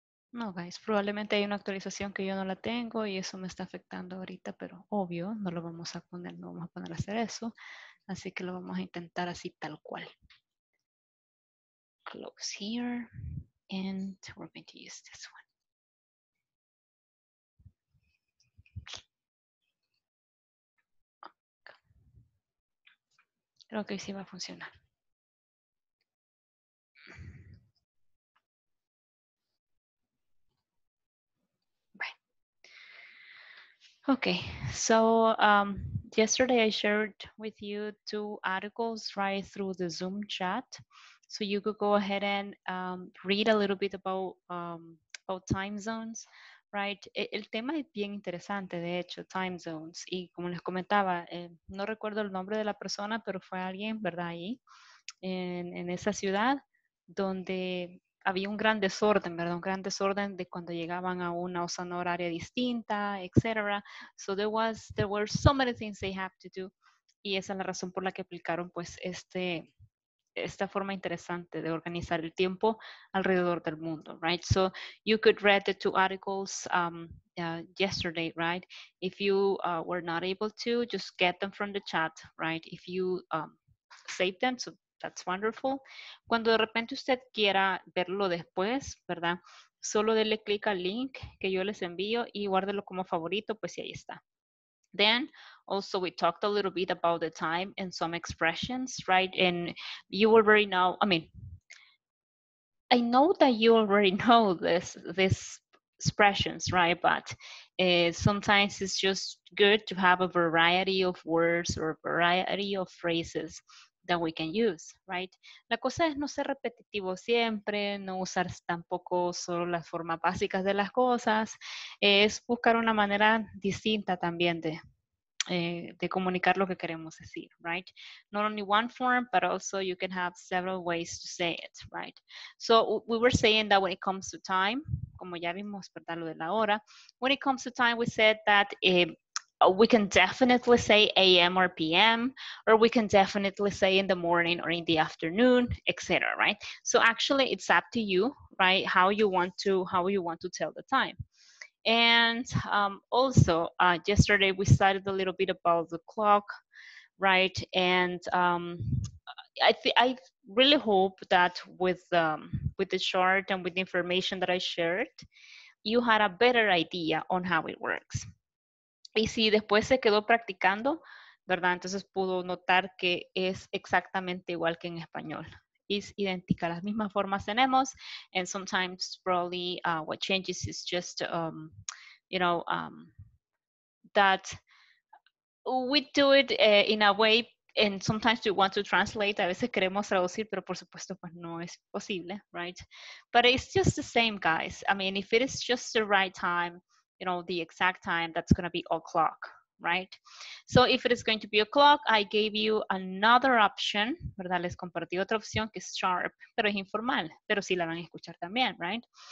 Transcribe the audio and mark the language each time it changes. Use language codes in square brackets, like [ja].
[es] No, guys, probablemente hay una actualización que yo no la tengo y eso me está afectando ahorita, pero obvio, no lo vamos a poner, no vamos a poner a hacer eso. Así que lo vamos a intentar así tal cual. [en] Close here and we're going to use this one. [es] Okay. Creo que sí va a funcionar. [en] Okay, so yesterday I shared with you two articles right through the Zoom chat. So you could go ahead and read a little bit about time zones, right? [es] El tema es bien interesante, de hecho, time zones. Y como les comentaba, no recuerdo el nombre de la persona, pero fue alguien, ¿verdad? Ahí, en esa ciudad, donde había un gran desorden, ¿verdad? Un gran desorden de cuando llegaban a una zona horaria distinta, etc. [en] So there were so many things they have to do. [es] Y esa es la razón por la que aplicaron pues esta forma interesante de organizar el tiempo alrededor del mundo, right? [en] So you could read the two articles yesterday, right? If you were not able to, just get them from the chat, right? If you save them, so that's wonderful. [es] Cuando de repente usted quiera verlo después, ¿verdad? Solo dele clic al link que yo les envío y guárdelo como favorito, pues y ahí está. [en] Then, also we talked a little bit about the time and some expressions, right? And you already know, I mean, I know that you already know this expressions, right? But sometimes it's just good to have a variety of words or a variety of phrases that we can use, right? [es] La cosa es no ser repetitivo siempre, no usar tampoco solo las formas básicas de las cosas, es buscar una manera distinta también de comunicar lo que queremos decir, right? [en] Not only one form, but also you can have several ways to say it, right? So we were saying that when it comes to time, [es] como ya vimos, ¿verdad? Lo de la hora. [en] When it comes to time, we said that we can definitely say a.m. or p.m. or we can definitely say in the morning or in the afternoon, etc., right? So actually, it's up to you, right, how you want to tell the time. And also, yesterday we started a little bit about the clock, right? And I really hope that with the chart and with the information that I shared, you had a better idea on how it works. [es] Y si después se quedó practicando, ¿verdad? Entonces pudo notar que es exactamente igual que en español. Es idéntica, las mismas formas tenemos. [en] And sometimes probably what changes is just, that we do it in a way, and sometimes we want to translate. [es] A veces queremos traducir, pero por supuesto pues no es posible, right? [en] But it's just the same, guys. I mean, if it is just the right time, you know, the exact time, that's going to be o'clock, right? So if it is going to be o'clock, I gave you another option, ¿verdad? [es] Les compartí otra opción que es sharp, pero es informal, pero sí la van a escuchar también, right?